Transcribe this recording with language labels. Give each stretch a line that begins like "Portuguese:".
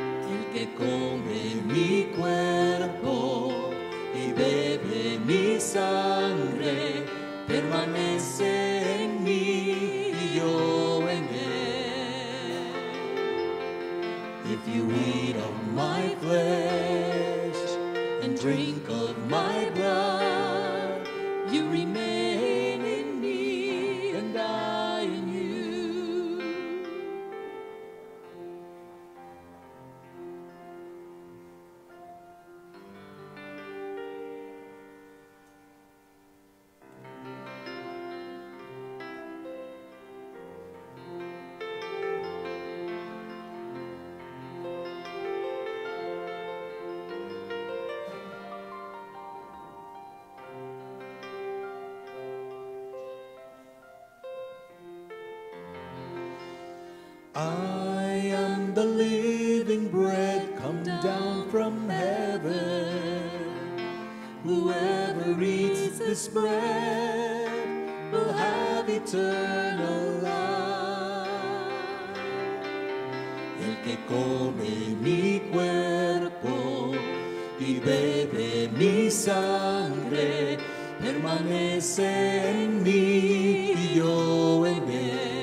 Spanish: El que come mi cuerpo y bebe mi sangre permanece en mí y yo en él.
English: If you eat of my flesh and drink of my blood, you remain in me and I in you. I am the living bread come down from heaven. Whoever eats this bread will have eternal life.
Spanish: El que come mi cuerpo y bebe mi sangre permanece en mí y yo en él.